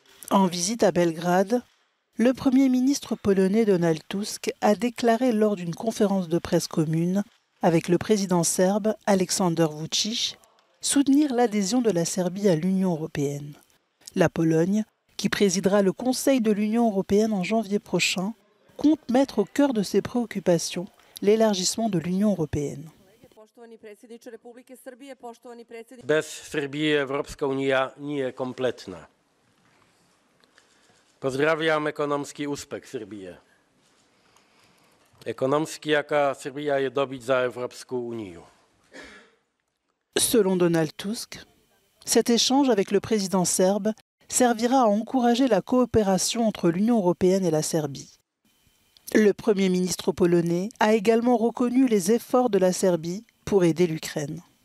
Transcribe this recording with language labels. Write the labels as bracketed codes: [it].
[fr] En visite à Belgrade, le Premier ministre polonais Donald Tusk a déclaré lors d'une conférence de presse commune avec le président serbe Aleksandar Vučić soutenir l'adhésion de la Serbie à l'Union européenne. La Pologne, qui présidera le Conseil de l'Union européenne en janvier prochain, compte mettre au cœur de ses préoccupations l'élargissement de l'Union européenne. [sr] Bez Srbije Evropska unija nije kompletna. Pozdravljam ekonomski uspeh Srbije. Ekonomski jaka Srbija je dobit za Evropsku uniju. [fr] Selon Donald Tusk, cet échange avec le président serbe servira à encourager la coopération entre l'Union européenne et la Serbie. Le Premier ministre polonais a également reconnu les efforts de la Serbie pour aider l'Ukraine.